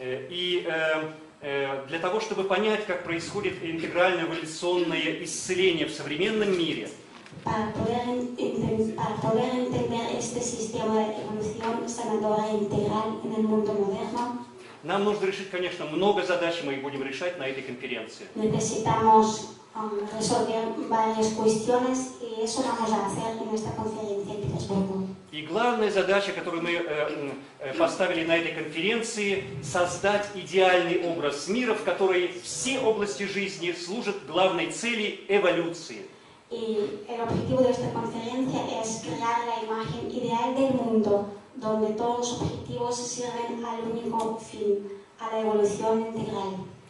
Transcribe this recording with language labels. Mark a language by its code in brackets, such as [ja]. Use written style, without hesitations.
[ru] И для того, чтобы понять, как происходит интегральное эволюционное исцеление в современном мире, нам нужно решить, конечно, много задач, мы их будем решать на этой конференции. [es] Necesitamos resolver varias cuestiones y eso vamos a hacer en esta conferencia en Petersburgo. [ru] И главная задача, которую мы поставили на этой конференции, создать идеальный образ мира, в который все области жизни служат главной цели эволюции. [es] Y el objetivo de esta conferencia es crear la imagen ideal del mundo. Donde todos los objetivos sirven al único fin, a la evolución integral.